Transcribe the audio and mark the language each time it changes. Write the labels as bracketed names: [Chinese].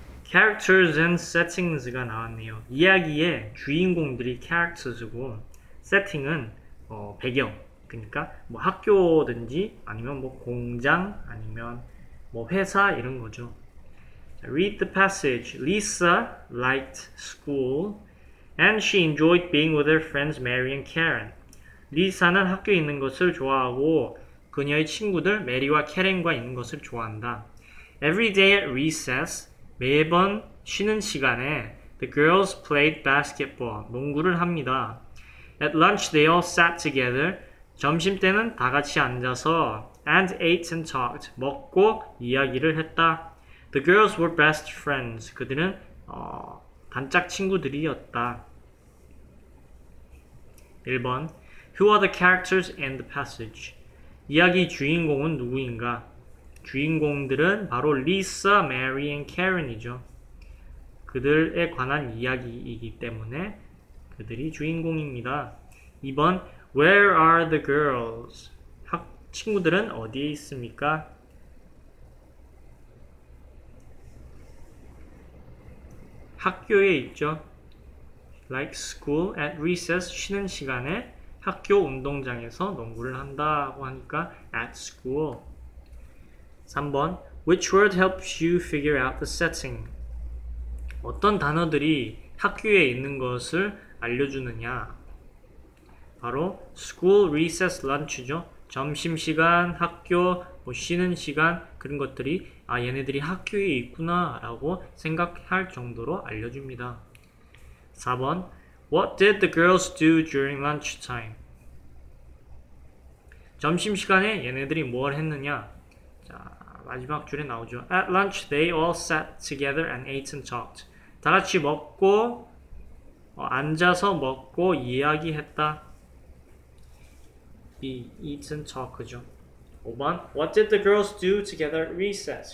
[English] Characters and settings [Korean] 가 나왔네요. 이야기의 주인공들이 characters고, setting은 배경. 그러니까 뭐 학교든지 아니면 뭐 공장 아니면 뭐 회사 이런 거죠. [English] Read the passage. Lisa liked school and she enjoyed being with her friends Mary and Karen. [Korean] 리사는 학교에 있는 것을 좋아하고 그녀의 친구들 메리와 캐런과 있는 것을 좋아한다. [English] Every day at recess, [Korean] 매번 쉬는 시간에 [English] the girls played basketball, [Korean] 농구를 합니다. [English] At lunch, they all sat together. [Korean] 점심때는 다 같이 앉아서 [English] and ate and talked, [Korean] 먹고 이야기를 했다. [English] The girls were best friends. [Korean] 그들은 단짝 친구들이었다. 1번. [English] Who are the characters in the passage? [Korean] 이야기 주인공은 누구인가? 주인공들은 바로 리사, 메리 앤 캐런이죠. 그들에 관한 이야기이기 때문에 그들이 주인공입니다. [English] 2번. Where are the girls? [Korean] 친구들은 어디에 있습니까? 학교에 있죠. [English] Like school at recess [Korean] 쉬는 시간에 학교 운동장에서 농구를 한다고 하니까 [English] at school. [Korean] 3번. [English] Which word helps you figure out the setting? [Korean] 어떤 단어들이 학교에 있는 것을 알려주느냐? 바로 school, recess, lunch죠. 점심시간, 학교, 뭐 쉬는 시간 그런 것들이 아 얘네들이 학교에 있구나 라고 생각할 정도로 알려줍니다. [English] 4번 What did the girls do during lunch time? [Korean] 점심시간에 얘네들이 뭘 했느냐? 자, 마지막 줄에 나오죠. [English] At lunch they all sat together and ate and talked. [Korean] 다 같이 먹고 앉아서 먹고 이야기했다. 이 [English] eat and talk [Korean] 죠. 5번. [English] What did the girls do together at recess?